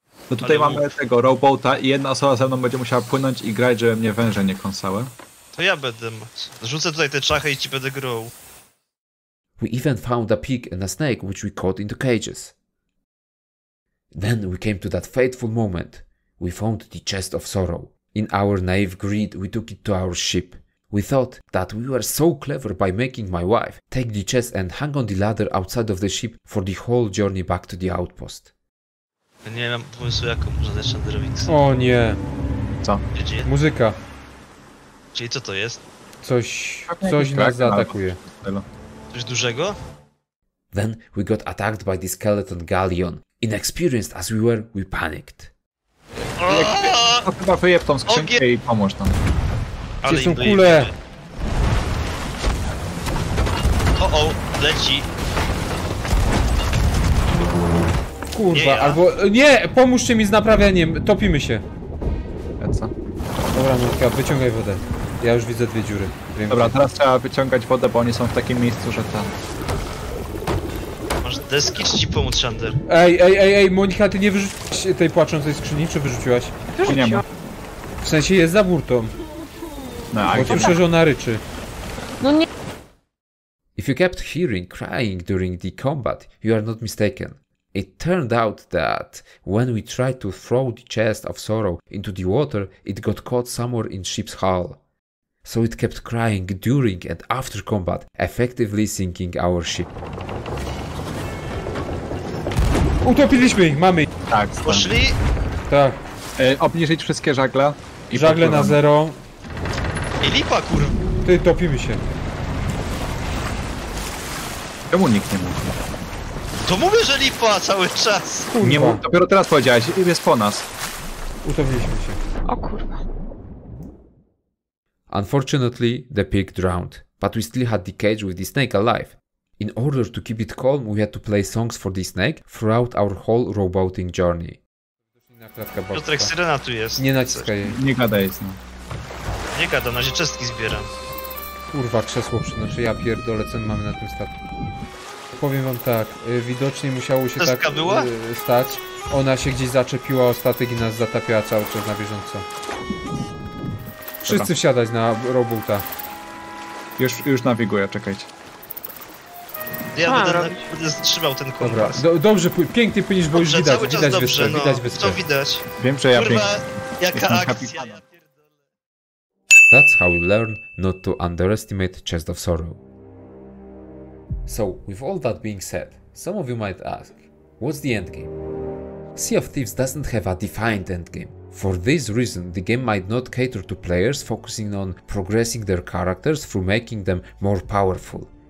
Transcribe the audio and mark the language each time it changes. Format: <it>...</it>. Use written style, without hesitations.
<pl>No tutaj mamy tego robota i jedna osoba ze mną będzie musiała płynąć i grać, żeby mnie węże nie kąsały. To ja będę mać. Rzucę tutaj te czachy i ci będę grał.</pl> <en>We even found a pig and a snake which we caught into cages. Then we came to that fateful moment. We found the chest of sorrow. In our naive greed, we took it to our ship. We thought that we were so clever by making my wife take the chest and hang on the ladder outside of the ship for the whole journey back to the outpost.</en> <pl>Nie mam pomysłu, jaką można dać Shanderowi. O nie. Co? Gdzie? Muzyka. Czyli co to jest? Coś nas zaatakuje. Coś dużego?</pl> <en>Then we got attacked by the skeleton galleon. Inexperienced as we were, we panicked.</en> <pl>No chyba wyjeb tą skrzynkę i pomóż nam. Gdzie są kule? O, leci. Kurwa, nie, albo... Nie! Pomóżcie mi z naprawianiem, topimy się. A co? Dobra, Mirka, wyciągaj wodę. Ja już widzę dwie dziury. Wiem. Dobra, teraz trzeba wyciągać wodę, bo oni są w takim miejscu, że tam... Masz deski, czy ci pomóc, Shander? Ej, Monika, ty nie wyrzuciłaś tej płaczącej skrzyni, czy wyrzuciłaś? Wyrzuciła. W sensie jest za burtą. No, bo słyszę, że ona ryczy. No nie...</pl> <en>If you kept hearing crying during the combat, you are not mistaken. It turned out that when we tried to throw the chest of sorrow into the water, it got caught somewhere in ship's hull. So it kept crying during and after combat, effectively sinking our ship.</en> <pl>Utopiliśmy ich, mamy ich. Tak, poszli? Tak. Obniżyć wszystkie żagle. I żagle na zero. I lipa, kurwa. Ty, topimy się. Czemu nikt nie mówi? To mówię, że lipa cały czas! Kurwa. Nie, dopiero teraz powiedziałeś, jest po nas. Utopiliśmy się. O kurwa.</pl> <en>Unfortunately, the pig drowned, but we still had the cage with the snake alive. In order to keep it calm, we had to play songs for the snake throughout our whole roboting journey.</en> <pl>Piotrek, syrena tu jest. Nie naciskaj. Nie gadaj z nim. Nie gada, na razie czeski zbieram. Kurwa, krzesło przynoszę, ja pierdolę, co mamy na tym statku. Powiem wam tak, widocznie musiało się deska tak była? Stać. Ona się gdzieś zaczepiła o statek i nas zatapiała cały czas na bieżąco. Wszyscy wsiadać na robota. Już nawiguję, czekajcie. Ja będę zatrzymał ten kompas. Dobra, dobrze, pięknie płyniesz, bo dobrze, już widać, widać dobrze, wyspę, widać wyspę. To widać. Wiem, że ja kurwa, pięknie. Jaka jestem akcja, happy. Ja pierdolę.</pl> <en>That's how we learn not to underestimate Chest of Sorrow. So, with all that being said, some of you might ask, what's the endgame? Sea of Thieves doesn't have a defined endgame. For this reason, the game might not cater to players focusing on progressing their characters through making them more powerful.</en>